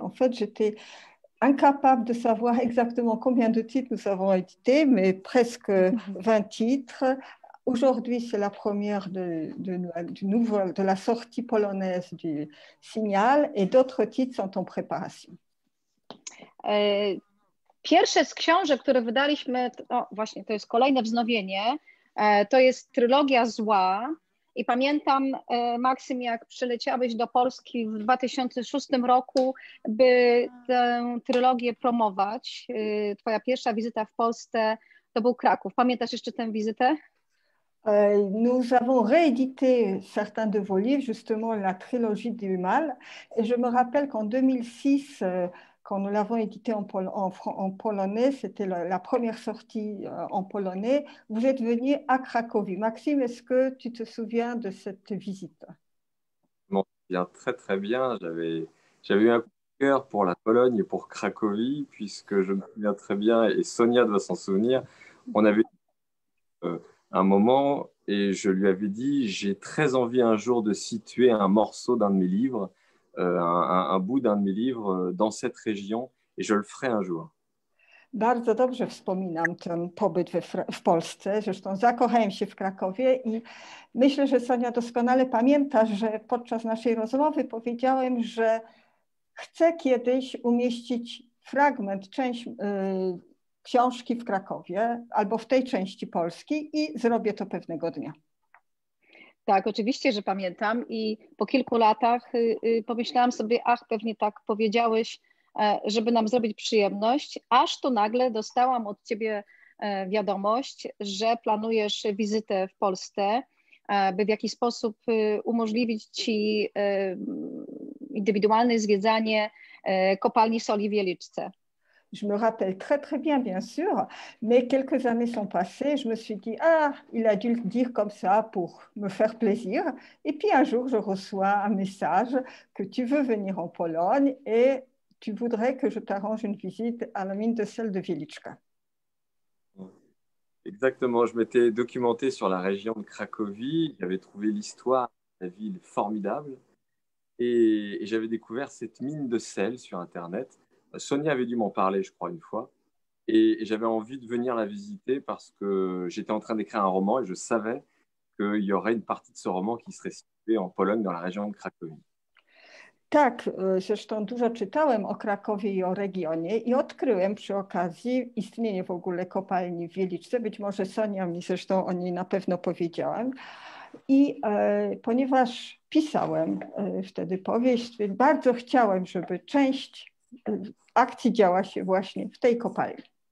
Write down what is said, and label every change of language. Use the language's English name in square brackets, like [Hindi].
[French] En fait, j'étais incapable de savoir exactement combien de titres nous avons édités, mais presque 20 titres. Aujourd'hui, c'est la première de la sortie polonaise du Signal et d'autres titres sont en préparation. [Polish] Pierwsze z książek, które wydaliśmy, właśnie to jest kolejne wznowienie, to jest Trylogia Zła. I pamiętam, Maksym, jak przyleciałeś do Polski w 2006 roku, by tę trylogię promować. Twoja pierwsza wizyta w Polsce to był Kraków. Pamiętasz jeszcze tę wizytę? [French] Nous avons réédité certains de vos livres, justement la trilogie du mal. Et je me rappelle qu'en 2006, quand nous l'avons édité en polonais, c'était la première sortie en polonais, vous êtes venu à Cracovie. Maksym, est-ce que tu te souviens de cette visite? Bon, bien, très très bien. J'avais eu un coup de cœur pour la Pologne et pour Cracovie, puisque je me souviens très bien, et Sonia doit s'en souvenir, on avait un moment, et je lui avais dit, j'ai très envie un jour de situer un morceau d'un de mes livres, un bout d'un de mes livres dans cette région, et je le ferai un jour. [Polish] Bardzo dobrze wspominam ten pobyt w Polsce, zresztą zakochałem się w Krakowie i myślę, że Sonia doskonale pamięta, że podczas naszej rozmowy powiedziałem, że chcę kiedyś umieścić fragment, część książki w Krakowie albo w tej części Polski i zrobię to pewnego dnia. Tak, oczywiście, że pamiętam i po kilku latach pomyślałam sobie, ach, pewnie tak powiedziałeś, żeby nam zrobić przyjemność, aż tu nagle dostałam od ciebie wiadomość, że planujesz wizytę w Polsce, by w jakiś sposób umożliwić ci indywidualne zwiedzanie kopalni soli w Jeliczce. [French] Je me rappelle très très bien, bien sûr, mais quelques années sont passées, je me suis dit, ah, il a dû le dire comme ça pour me faire plaisir. Et puis un jour, je reçois un message que tu veux venir en Pologne et tu voudrais que je t'arrange une visite à la mine de sel de Wieliczka. Exactement, je m'étais documenté sur la région de Cracovie, j'avais trouvé l'histoire de la ville formidable et j'avais découvert cette mine de sel sur Internet. Sonia avait dû m'en parler, je crois, une fois. Et j'avais envie de venir la visiter parce que j'étais en train d'écrire un roman et je savais qu'il y aurait une partie de ce roman qui serait située en Pologne, dans la région de Cracovie. [Polish] Tak, zresztą dużo czytałem o Krakowie i o regionie i odkryłem przy okazji istnienie w ogóle kopalni w Wieliczce. Być może Sonia mi zresztą o niej na pewno powiedziałem. I ponieważ pisałem wtedy powieść, bardzo chciałem, żeby część akcji działa się właśnie w tej kopalni.